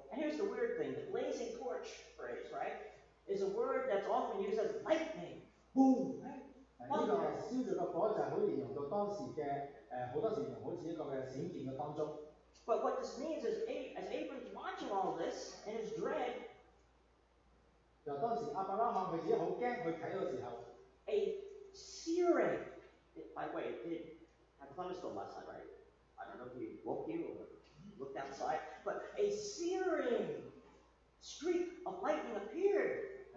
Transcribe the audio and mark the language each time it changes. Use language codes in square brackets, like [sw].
[en] And here's the weird thing, the blazing torch phrase, right, is a word that's often used as lightning. [yue] Boom! 呢个烧着个火就系好似形容到当时嘅，好多时形容好似一个嘅闪电嘅当中。 [en] But what this means is, as Abram's watching all this in his dread, [yue] 由当时亚伯拉罕佢自己好惊，佢睇到时候 [en] a searing. By the way, did have a thunderstorm last night, right? I don't know if you woke you or looked outside, but a searing streak of lightning appeared.